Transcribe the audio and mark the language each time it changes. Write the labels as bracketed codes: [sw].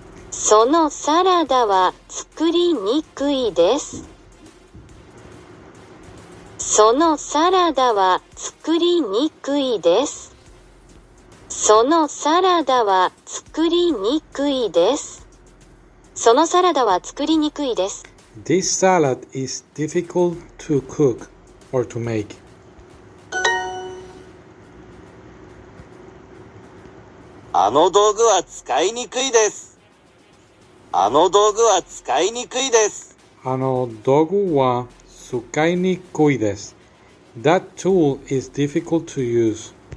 [ja] そのサラダは作りにくいです。そのサラダは作りにくいです。そのサラダは作りにくいです。そのサラダは作りにくいです。 [en] This salad is difficult to cook or to make. [ja] あの道具は使いにくいです。あの道具は使いにくいです。あの道具は使いにくいです。 [en] That tool is difficult to use.